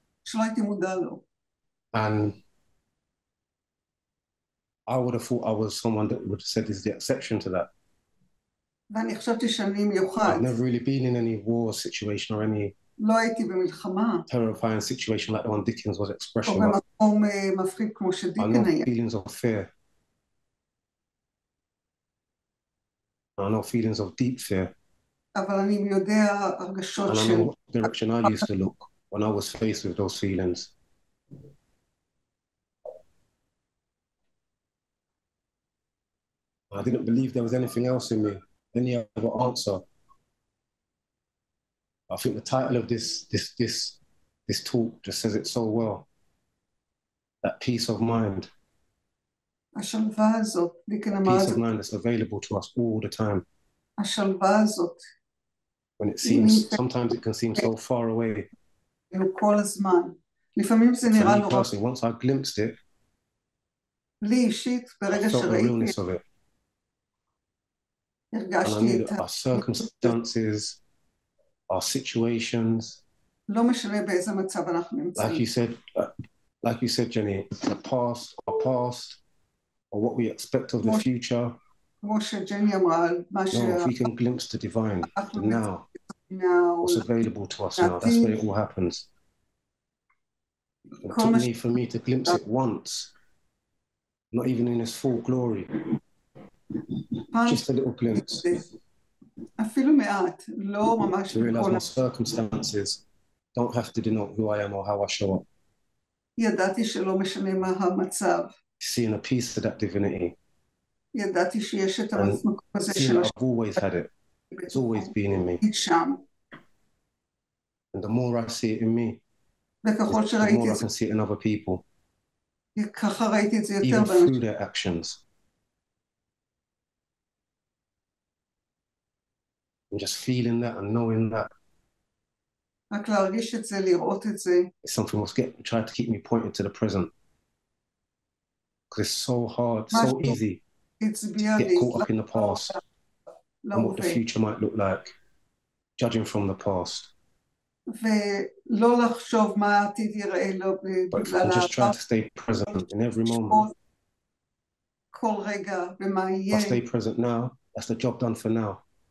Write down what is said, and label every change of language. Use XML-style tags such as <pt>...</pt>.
<he>שלא הייתי מודע לו.</he> <en>And I would have thought I was someone that would have said this is the exception to that.</en> <he>ואני חשבתי שאני מיוחד.</he> <en>I've never really been in any war situation or any</en> <he>לא הייתי במלחמה.</he> <en>Terrifying situation like the one Dickens was expressing.</en> <he>או במקום מפחיד כמו שדיקן היה.</he> <en>Feelings of fear. I know feelings of deep fear.</en> <he>אבל אני יודע הרגשות של...</he> <en>And I know what direction I used to look when I was faced with those feelings. I didn't believe there was anything else in me, any other answer. I think the title of this talk just says it so well. That peace of mind.</en> <he>השלווה הזאת, דיקן אמר...</he> <en>Peace of mind is available to us all the time.</en> <he>השלווה הזאת.</he> <en>When it seems, sometimes it can seem so far away.</en> <he>כל הזמן. לפעמים זה נראה לא...</he> <en>For me personally, once I glimpsed it,</en> <he>לי אישית, ברגע שראיתי...</he> <en>I felt the realness of it.</en> <he>הרגשתי את...</he> <en>And I knew that our circumstances, our situations...</en> <he>לא משנה באיזה מצב אנחנו נמצאים.</he> <en>Like you said, Jenny, the past, our past... or what we expect of the future. No, if we can glimpse the divine, the now, what's available to us now, that's where it all happens. It took me for me to glimpse it once, not even in its full glory, just a little glimpse. To realize my circumstances don't have to denote who I am or how I show up.</en> <he>ידעתי שלא משנה מה המצב.</he> <en>Seeing a piece of that divinity.</en> <he>ידעתי שיש את המקום הזה של השם.</he> <en>I've always had it. It's always been in me.</en> <he>שם.</he> <en>And the more I see it in me,</en> <he>וככל שראיתי</he> <en>the more I can see it in other people.</en> <he>ככה ראיתי את זה יותר.</he> <en>Even through their actions. And just feeling that and knowing that.</en> <he>רק להרגיש את זה, לראות את זה.</he> <en>It's something that's trying to keep me pointed to the present. Because it's so hard, so easy to get caught up in the past and what the future might look like, judging from the past. But if I'm just trying to stay present in every moment, I'll stay present now, that's the job done for now.</en>